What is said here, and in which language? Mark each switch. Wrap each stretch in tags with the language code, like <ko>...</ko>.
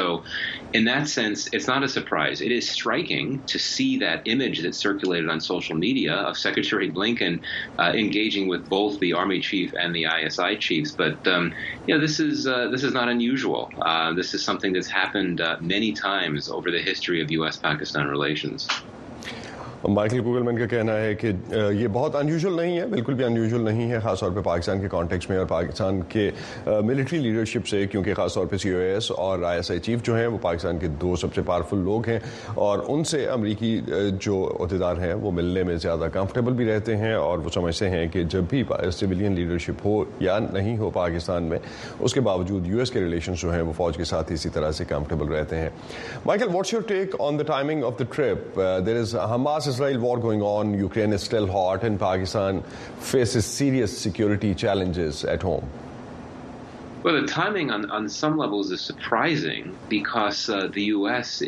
<en>So in that sense, it's not a surprise. It is striking to see that image that circulated on social media of Secretary Blinken engaging with both the Army chief and the ISI chiefs. But, this is not unusual. This is something that's happened many times over the history of U.S.-Pakistan relations.</en> <ur>Michael گوگلمین کا کہنا ہے کہ یہ بہت unusual نہیں ہے, بالکل بھی انیوژل نہیں ہے, خاص طور پہ پاکستان کے کانٹیکس میں اور پاکستان کے ملٹری لیڈرشپ سے, کیونکہ خاص طور پہ سی او ایس اور آئی ایس آئی چیف جو ہیں وہ پاکستان کے دو سب سے پاورفل لوگ ہیں, اور ان سے امریکی جو عہدیدار ہیں وہ ملنے میں زیادہ کمفرٹیبل بھی رہتے ہیں, اور وہ سمجھتے ہیں کہ جب بھی سیویلین لیڈرشپ ہو یا نہیں ہو پاکستان میں, اس کے باوجود یو ایس کے ریلیشنز جو ہیں وہ فوج کے ساتھ اسی طرح سے کمفرٹیبل رہتے ہیں.</ur> <en>Michael, what's your take on the timing of the trip? There is Hamas Israel war going on, Ukraine is still hot, and Pakistan faces serious security challenges at home. Well, the timing on some levels is surprising because the U.S.</en>